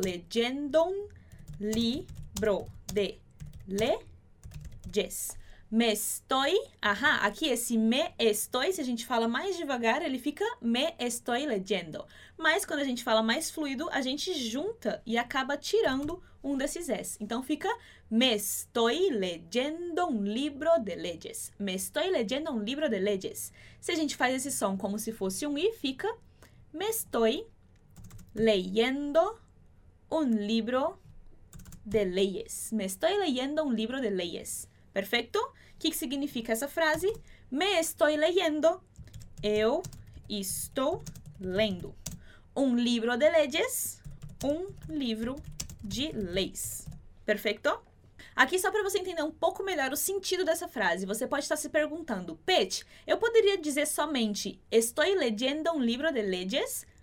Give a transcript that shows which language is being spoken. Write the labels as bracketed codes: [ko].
[es] Legendo um livro de leyes. Me estoy. [pt] Ajá, aqui esse me estoy, se a gente fala mais devagar, ele fica [es] me estoy leyendo. [pt] Mas quando a gente fala mais fluido, a gente junta e acaba tirando um desses S. [es] Então fica me estoy leyendo un libro de leyes. Me estoy leyendo un libro de leyes. [pt] Se a gente faz esse som como se fosse um I, fica [es] me estoy leyendo un libro de leyes. Me estoy leyendo un libro de leyes. [pt] Perfeito? O que significa essa frase? [es] Me estoy leyendo. [pt] Eu estou lendo. [es] Un libro de leyes. Un libro de leis. Perfeito? [pt] Aqui só para você entender um pouco melhor o sentido dessa frase, você pode estar se perguntando, Pet, eu poderia dizer somente [es] estoy leyendo un libro de leyes?